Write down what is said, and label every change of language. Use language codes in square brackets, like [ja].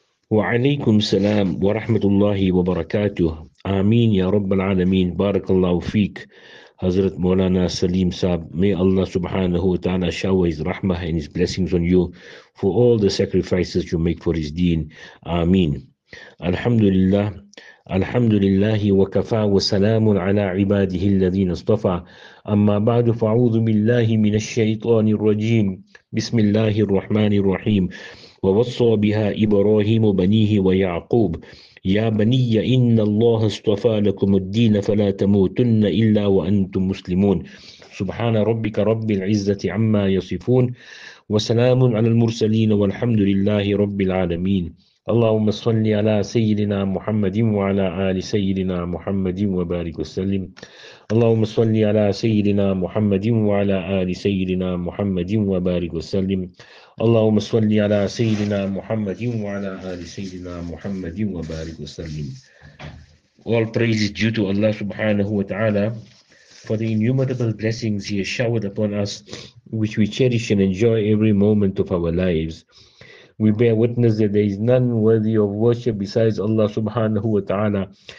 [ar] وعليكم السلام ورحمة الله وبركاته. آمين يا رب العالمين. بارك الله فيك حضرت مولانا سليم صاحب. [en] May Allah subhanahu wa ta'ala shower his rahmah and his blessings on you for all the sacrifices you make for his deen. [ar] آمين. الحمد لله الحمد لله وكفى وسلام على عباده الذين اصطفى. أما بعد، فأعوذ بالله من الشيطان الرجيم. بسم الله الرحمن الرحيم. ووصى بها إبراهيم بنيه ويعقوب يا بني إن الله اصطفى لكم الدين فلا تموتن إلا وأنتم مسلمون. سبحان ربك رب العزة عما يصفون وسلام على المرسلين والحمد لله رب العالمين. اللهم صل على سيدنا محمد وعلى آل سيدنا محمد وبارك وسلم. اللهم صل على سيدنا محمد وعلى آل سيدنا محمد وبارك وسلم. اللهم صل على سيدنا محمد وعلى آل سيدنا محمد وبارك وسلم. [en] All praise is due to Allah subhanahu wa ta'ala for the innumerable blessings He has showered upon us, which we cherish and enjoy every moment of our lives. We bear witness that there is none worthy of worship besides Allah subhanahu wa ta'ala.